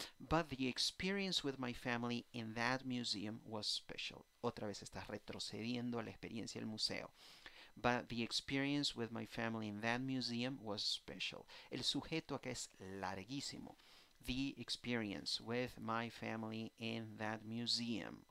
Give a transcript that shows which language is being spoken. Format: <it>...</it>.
<en>But the experience with my family in that museum was special.</en> <es>Otra vez estás retrocediendo a la experiencia del museo.</es> <en>But the experience with my family in that museum was special.</en> <es>El sujeto acá es larguísimo.</es> <en>The experience with my family in that museum.</en>